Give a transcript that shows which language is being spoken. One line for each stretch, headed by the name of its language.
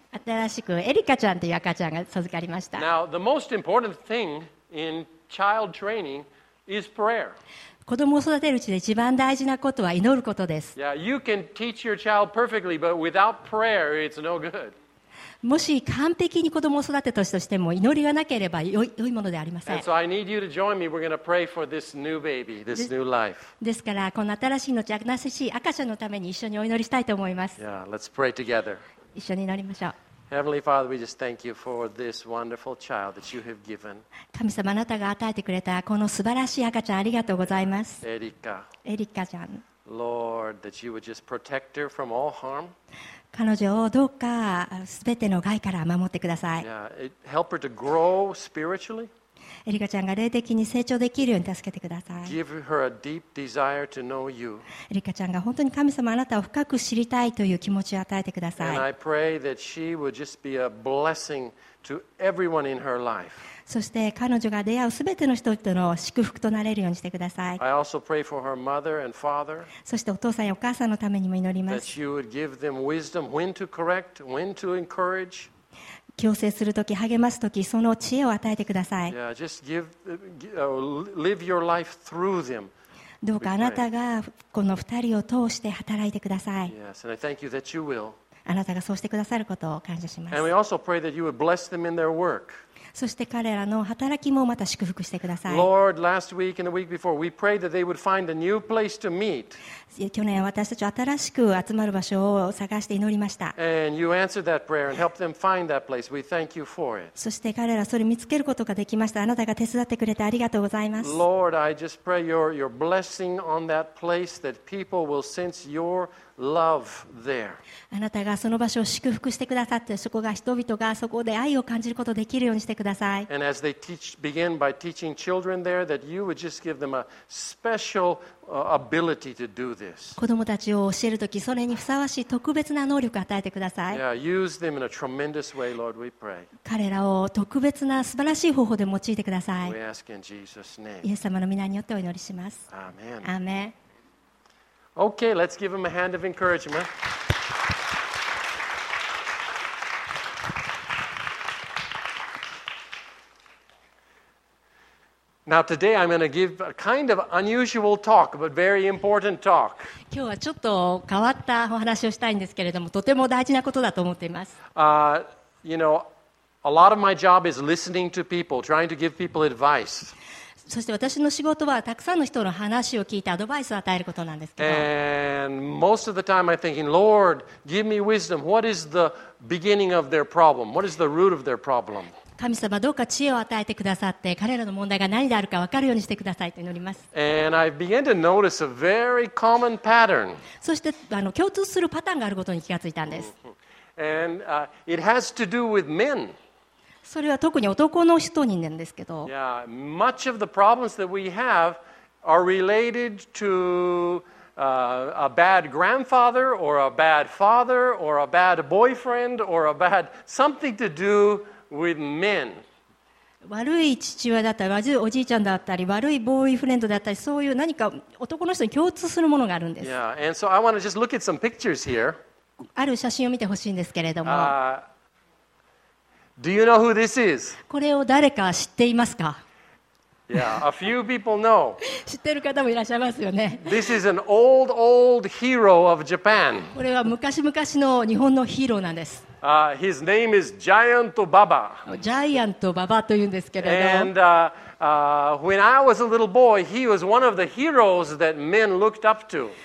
Japanese: 新しくエリカちゃんという赤ちゃんが授かりました。
English: Now, the most important thing in child training is prayer.
Japanese: 子供を育てるうちで一番大事なことは祈ることです。
English: Yeah, you can teach your child perfectly, but without prayer, it's no good.
Japanese: もし完璧に子供を育てたとしても祈りがなければ良いものでありません。
English: And so I need you to join me. We're going to pray for this new baby, this new life.
Japanese: ですから、この新しい命、新しい赤ちゃんのために一緒にお祈りしたいと思います。
English: Yeah, let's pray together.
Japanese: 一緒に祈りましょう。
English: Heavenly Father, we just thank you for this wonderful child that you have given.
Japanese: 神様、あなたが与えてくれたこの素晴らしい赤ちゃん、ありがとうございます。エリカ。エリカちゃん。
English: Lord, that you would just protect her from all harm.
Japanese: 彼女をどうかすべての害から守ってください。
English: Help her to grow spiritually.
Japanese: エリカちゃんが霊的に成長できるように助けてください。
English: Give her a deep desire to know you.
Japanese: エリカちゃんが本当に神様あなたを深く知りたいという気持ちを与えてください。
English: And I pray that she would just be a blessing to everyone in her life.
Japanese: そして彼女が出会うすべての人との祝福となれるようにしてください。
English: I also pray for her mother and father.
Japanese: そしてお父さんやお母さんのためにも祈ります。
English: That you would give them wisdom when to correct, when to encourage.
Japanese: 強制するとき、励ますとき、その知恵を与えてください。
English: Yeah, just give, live your life through them.
Japanese: どうかあなたがこの二人を通して働いてください。
English: Yes, and I thank you that you will.
Japanese: あなたがそうしてくださることを感謝します。
English: And we also pray that you would bless them in their work.
Japanese: そして彼らの働きもまた祝福してください。
English: Lord, last week and the week before, we prayed that they would find a new place to meet.
Japanese: 去年私たちは新しく集まる場所を探して祈りました。
English: And you answered that prayer and helped them find that place. We thank you for it.
Japanese: そして彼らそれを見つけることができました。あなたが手伝ってくれてありがとうございます。
English: Lord, I just pray your blessing on that place that people will sense your love there.
Japanese: あなたがその場所を祝福してくださって、そこが人々がそこで愛を感じることができるようにしてください。
English: And as they begin by teaching children there, that you would just give them a special ability to do this.
Japanese: 子供たちを教えるとき、それにふさわしい特別な能力を与えてください。
English: Yeah, use them in a tremendous way, Lord, we pray.
Japanese: 彼らを特別な素晴らしい方法で用いてください。
English: We ask in Jesus' name.
Japanese: イエス様の御名によってお祈りします。
English: Amen. Amen. Okay, let's give him a hand of encouragement. Now today I'm going to give a kind of unusual talk, but very important talk.
Japanese: 今日はちょっと変わったお話をしたいんですけれども、とても大事なことだと思っています。
English: You know, a lot of my job is listening to people, trying to give people advice.
Japanese: そして私の仕事はたくさんの人の話を聞いてアドバイスを与えることなんですけど。
English: And most of the time I'm thinking, Lord, give me wisdom. What is the beginning of their problem? What is the root of their problem?
Japanese: 神様どうか知恵を与えてくださって彼らの問題が何であるか分かるようにしてくださいと祈ります。
English: And I began to notice a very common pattern.
Japanese: そして共通するパターンがあることに気がついたんです。
English: And, it has to do with men.
Japanese: それは特に男の人になんですけど、
English: Yeah, much of the problems that we have are related to、a bad grandfather or a bad father or a bad boyfriend or a bad something to doWith men.
Japanese: 悪い父親だったり悪いおじいちゃんだったり悪いボーイフレンドだったりそういう何か男の人に共通するものがあるんです。
English: Yeah, and so I want to just look at some pictures here.
Japanese: ある写真を見てほしいんですけれども、
English: Do you know who this is?
Japanese: これを誰か知っていますか？
English: Yeah, a few people know.
Japanese: 知ってる方もいらっしゃいますよね。
English: This is an old, old hero of Japan.
Japanese: これは昔々の日本のヒーローなんです。
English: His name is Giant Baba.
Japanese: Giant Baba というんですけれど。
English: And when I was a little boy, he was one of the heroes that men looked up to.